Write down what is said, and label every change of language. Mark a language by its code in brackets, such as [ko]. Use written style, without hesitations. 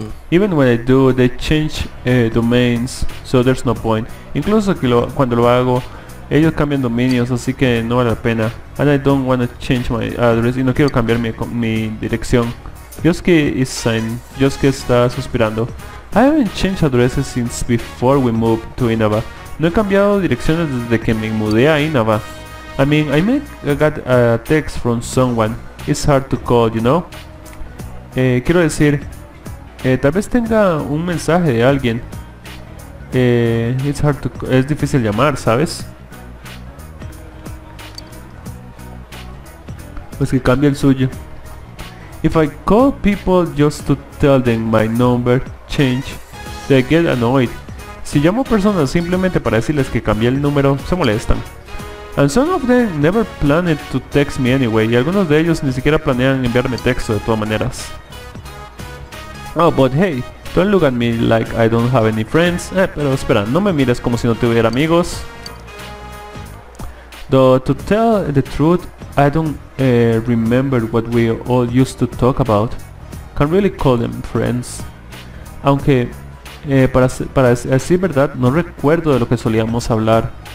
[en] Even when I do, they change domains, so there's no point. [es] Incluso que cuando lo hago, ellos cambian dominios, así que no vale la pena. [en] And I don't want to change my address, [es] y no quiero cambiar mi dirección. [en] Yosuke is saying, [es] Yosuke está suspirando. [en] I haven't changed addresses since before we moved to Inaba. [es] No he cambiado direcciones desde que me mudé a Inaba. [en] I mean, I got a text from someone. It's hard to call, you know? [es] Quiero decir, tal vez tenga un mensaje de alguien. Es difícil llamar, ¿sabes? Pues que cambie el suyo. [en] If I call people just to tell them my number change, they get annoyed. [es] Si llamo personas simplemente para decirles que cambié el número, se molestan. [en] And some of them never planned to text me anyway. [es] Y algunos de ellos ni siquiera planean enviarme texto de todas maneras. [en] Oh, but hey, don't look at me like I don't have any friends. [es] Pero espera, no me mires como si no tuviera amigos. [en] Though to tell the truth, I don't remember what we all used to talk about. Can't really call them friends. [es] Aunque para decir verdad, no recuerdo de lo que solíamos hablar.